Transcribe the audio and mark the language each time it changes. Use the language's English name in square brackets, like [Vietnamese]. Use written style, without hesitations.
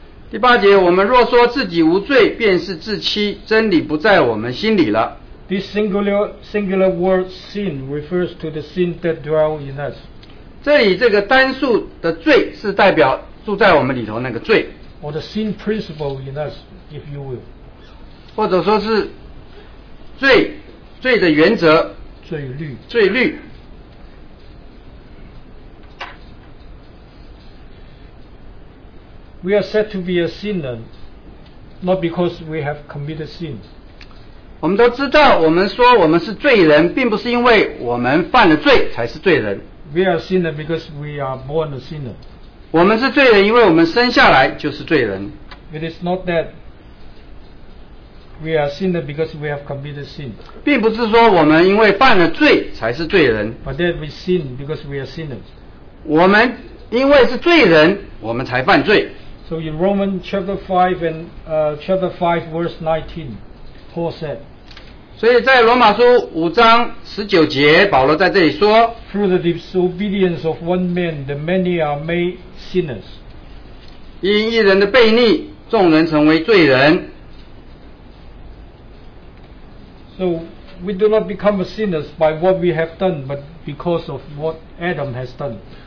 [Chinese] 第八节我们若说自己无罪便是自欺真理不在我们心里了 [English] This singular word sin refers to the sin that dwells in us [Chinese] 这里这个单数的罪是代表住在我们里头那个罪 [English] or the sin principle in us, if you will [Chinese] 或者说是罪罪的原则罪律罪律 [English] We are said to be a sinner not because we have committed sin [Chinese] 我们都知道我们说我们是罪人并不是因为我们犯了罪才是罪人 [English] We are sinners because we are born a sinner. [Chinese] 我们是罪人，因为我们生下来就是罪人。 [English] It is not that we are sinners because we have committed sin. [Chinese] 并不是说我们因为犯了罪才是罪人。 [English] But that we sin because we are sinners. [Chinese] 我们因为是罪人，我们才犯罪。 [English] So in Romans chapter 5 and chapter 5 verse 19, Paul said. [Chinese] 所以在罗马书五章十九节保罗在这里说 [English] Through the disobedience of one man the many are made sinners [Chinese] 因一人的悖逆众人成为罪人 [English] So we do not become a sinners by what we have done but because of what Adam has done